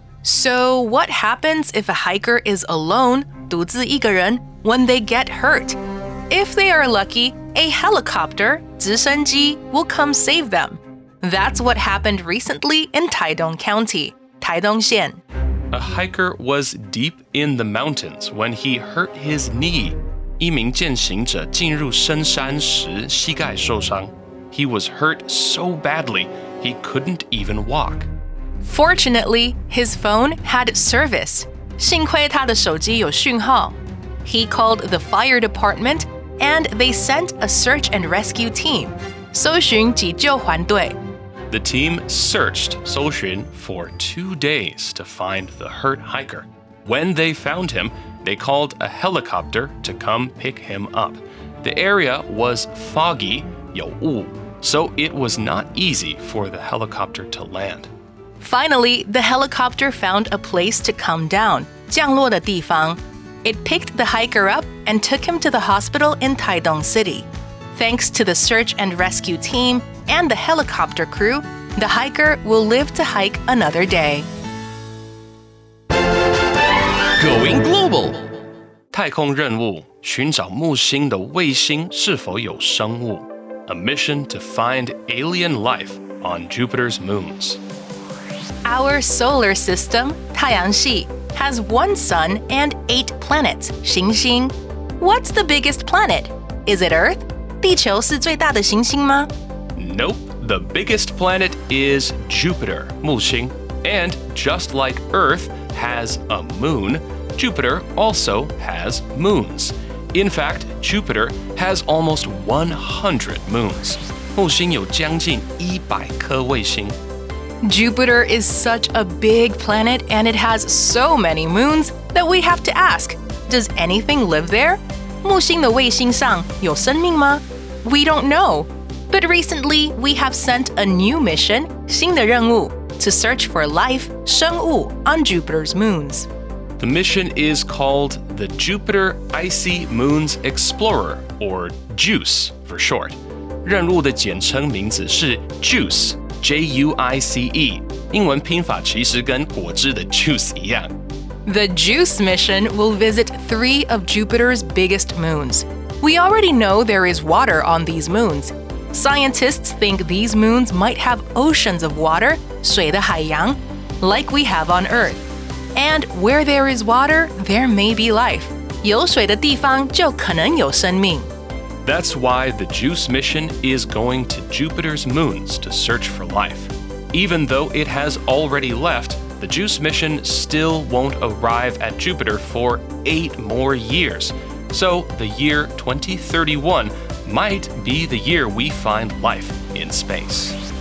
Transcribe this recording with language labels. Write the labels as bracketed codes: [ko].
[en] So what happens if a hiker is alone, [zh] 独自一个人, [en] when they get hurt? If they are lucky, a helicopter, 直升机, will come save them. That's what happened recently in Taitung County, 台东县. A hiker was deep in the mountains when he hurt his knee. [zh] 一名健行者进入深山时膝盖受伤。 [en] He was hurt so badly, he couldn't even walk. Fortunately, his phone had service. [zh] 幸虧他的手機有訊號。 [en] He called the fire department, and they sent a search and rescue team. [zh] 搜尋及救援隊。 [en] The team searched, 搜尋, for 2 days to find the hurt hiker. When they found him, they called a helicopter to come pick him up. The area was foggy, [zh] 有雾, [en] so it was not easy for the helicopter to land. Finally, the helicopter found a place to come down, [zh] 降落的地方. [en] It picked the hiker up and took him to the hospital in Taitung City. Thanks to the search and rescue team and the helicopter crew, the hiker will live to hike another day. Going global! [zh] 太空任务,寻找木星的卫星是否有生物? [en] A mission to find alien life on Jupiter's moons. Our solar system, [zh] 太阳系, [en] has one sun and 8 planets, 行星. What's the biggest planet? Is it Earth? [zh] 地球是最大的行星吗? [en] Nope, the biggest planet is Jupiter, 木星. And just like Earth has a moon, Jupiter also has moons. In fact, Jupiter has almost 100 moons. [zh] 木星有将近一百颗卫星。 [en] Jupiter is such a big planet and it has so many moons that we have to ask, does anything live there? [zh] 木星的卫星上有生命吗? [en] We don't know. But recently, we have sent a new mission, [zh] 新的任务, [en] to search for life, 生物, on Jupiter's moons. The mission is called the Jupiter Icy Moons Explorer, or JUICE for short. [zh] 任务的简称名字是 JUICE, J-U-I-C-E. 英文拼法其实跟果汁的 juice 一样。 [en] The JUICE mission will visit 3 of Jupiter's biggest moons. We already know there is water on these moons. Scientists think these moons might have oceans of water, [zh] 水的海洋, [en] like we have on Earth. And where there is water, there may be life. [zh] 有水的地方就可能有生命。 [en] That's why the JUICE mission is going to Jupiter's moons to search for life. Even though it has already left, the JUICE mission still won't arrive at Jupiter for 8 more years. So the year 2031 might be the year we find life in space.